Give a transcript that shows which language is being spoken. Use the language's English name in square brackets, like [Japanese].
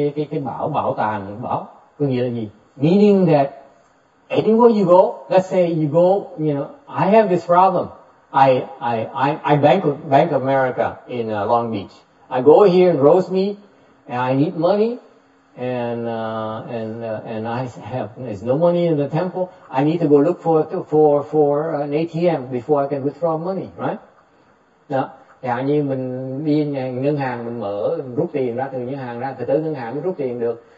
[Vietnamese] cái bảo tàng bảo, có nghĩa là gì? [English] Meaning that anywhere you go, let's say you go, you know, I have this problem. I Bank of America in Long Beach. I go here in Rosemead and I need money, and I have, there's no money in the temple. I need to go look for an ATM before I can withdraw money, right? [Vietnamese] Now, chẳng như mình đi ngân hàng, mình mở, mình rút tiền ra từ ngân hàng ra, thì tới ngân hàng mới rút tiền được.